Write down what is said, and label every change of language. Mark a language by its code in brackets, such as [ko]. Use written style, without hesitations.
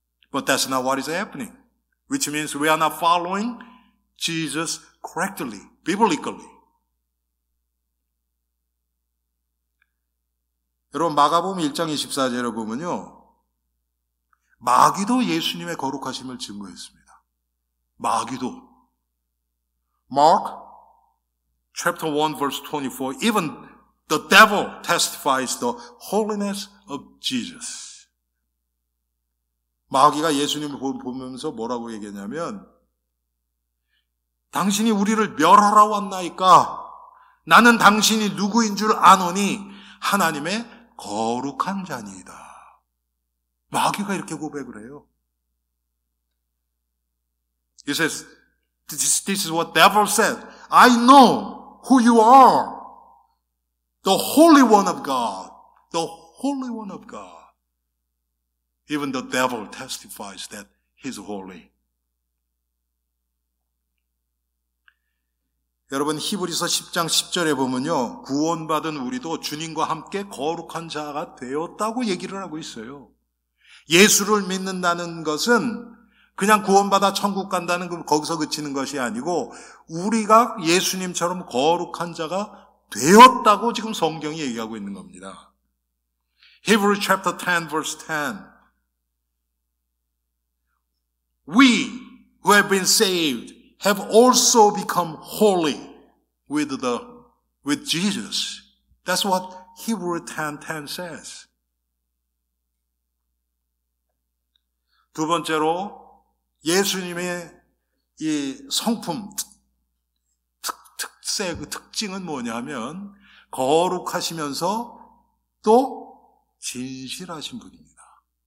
[en] But that's not what is happening. Which means we are not following Jesus correctly, biblically. [ko] 여러분 마가복음 1장 24절을 보면요. 마귀도 예수님의 거룩하심을 증거했습니다. 마귀도. [en] Mark chapter 1 verse 24, even the devil testifies the holiness of Jesus. [ko] 마귀가 예수님을 보면서 뭐라고 얘기했냐면 당신이 우리를 멸하러 왔나이까? 나는 당신이 누구인 줄 아노니 하나님의 거룩한 잔이다. 마귀가 이렇게 고백을 해요. [en] He says, this is what the devil said. I know who you are. The Holy One of God. The Holy One of God. Even the devil testifies that he's holy. [ko] 여러분 히브리서 10장 10절에 보면요. 구원받은 우리도 주님과 함께 거룩한 자가 되었다고 얘기를 하고 있어요. 예수를 믿는다는 것은 그냥 구원받아 천국 간다는 건 거기서 그치는 것이 아니고 우리가 예수님처럼 거룩한 자가 되었다고 지금 성경이 얘기하고 있는 겁니다. [en] Hebrews chapter 10 verse 10. We who have been saved have also become holy with Jesus. That's what Hebrews 10:10 says. [ko] 두 번째로 예수님의 이 성품 특색 특징은 뭐냐면 거룩하시면서 또 진실하신 분입니다.